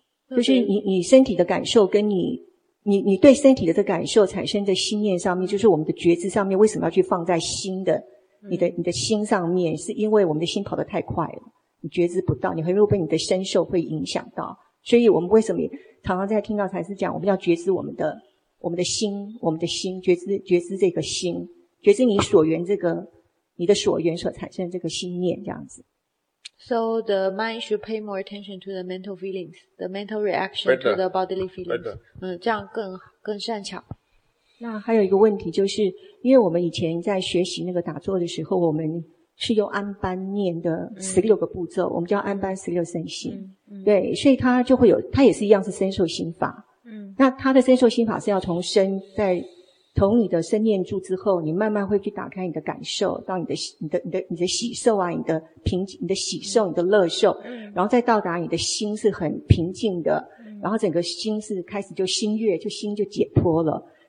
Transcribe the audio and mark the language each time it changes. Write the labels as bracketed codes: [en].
[zh] 就是你身体的感受跟你对身体的这感受产生的心念上面，就是我们的觉知上面，为什么要去放在心的你的心上面，是因为我们的心跑得太快了，你觉知不到，你很容易被你的身受会影响到。所以我们为什么常常在听到禅师讲，我们要觉知我们的心，觉知这个心，觉知你所缘这个你的所缘所产生的这个心念这样子。 [en] So the mind should pay more attention to the mental feelings, the mental reaction to the bodily feelings. [zh] 这样更善巧。那还有一个问题，就是因为我们以前在学习那个打坐的时候，我们是用安般念的16个步骤，我们叫安般16身心。对，所以它就会有，它也是一样是身受心法。那它的身受心法是要从身，在从你的身念住之后，你慢慢会去打开你的感受，到你的喜受啊，你的平静，你的喜受，你的乐受，然后再到达你的心是很平静的，然后整个心是开始就心悦，就心就解脱了。